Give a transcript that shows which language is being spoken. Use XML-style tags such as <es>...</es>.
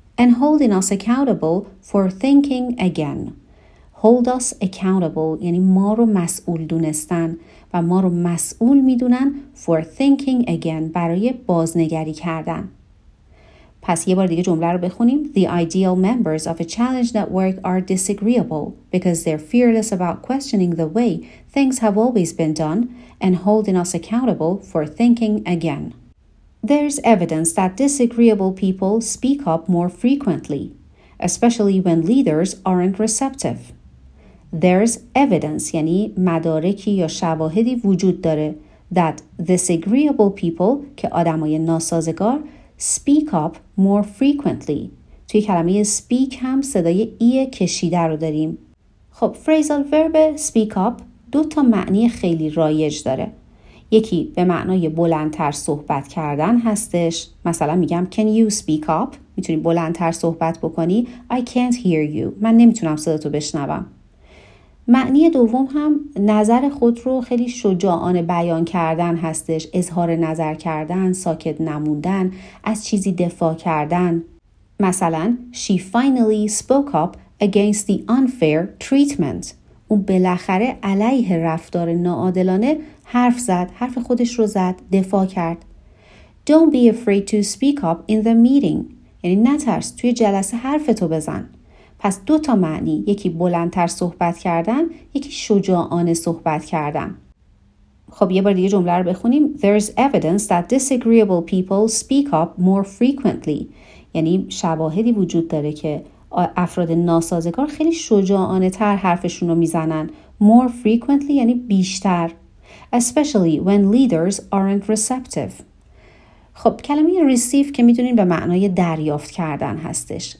<en>And holding us accountable for thinking again. Hold us accountable</en> <fa>یعنی ما رو مسئول دونستن و ما رو مسئول میدونن</fa> <en>for thinking again,</en> <fa>برای بازنگری کردن. پس یه بار دیگه جمله رو بخونیم.</fa> <en>The ideal members of a challenge network are disagreeable because they're fearless about questioning the way things have always been done and holding us accountable for thinking again. There's evidence that disagreeable people speak up more frequently, especially when leaders aren't receptive. There's evidence,</en> <fa>یعنی مدارکی یا شواهدی وجود داره</fa> <en>that disagreeable people,</en> <fa>که آدم های ناسازگار,</fa> <en>speak up more frequently.</en> <fa>توی کلمه speak هم صدای ای کشیده رو داریم. خب, phrasal verb speak up دو تا معنی خیلی رایج داره. یکی به معنای بلندتر صحبت کردن هستش. مثلا میگم</fa> <en>can you speak up؟</en> <fa>میتونی بلندتر صحبت بکنی.</fa> <en>I can't hear you.</en> <fa>من نمیتونم صداتو بشنوم. معنی دوم هم نظر خود رو خیلی شجاعانه بیان کردن هستش. اظهار نظر کردن، ساکت نموندن، از چیزی دفاع کردن.</fa> <en>مثلا she finally spoke up against the unfair treatment.</en> <fa>اون بالاخره علیه رفتار ناعادلانه حرف زد، حرف خودش رو زد، دفاع کرد.</fa> <en>Don't be afraid to speak up in the meeting.</en> <fa>یعنی نترس توی جلسه حرفتو بزن. پس دو تا معنی، یکی بلندتر صحبت کردن، یکی شجاعانه صحبت کردن. خب یه بار دیگه جمله رو بخونیم.</fa> <en>There's evidence that disagreeable people speak up more frequently.</en> <fa>یعنی شواهدی وجود داره که افراد ناسازگار خیلی شجاعانه تر حرفشون رو میزنن.</fa> <en>More frequently</en> <fa>یعنی بیشتر.</fa> <en>Especially when leaders aren't receptive.</en> <fa>خب کلمه receive که میدونین به معنای دریافت کردن هستش.</fa>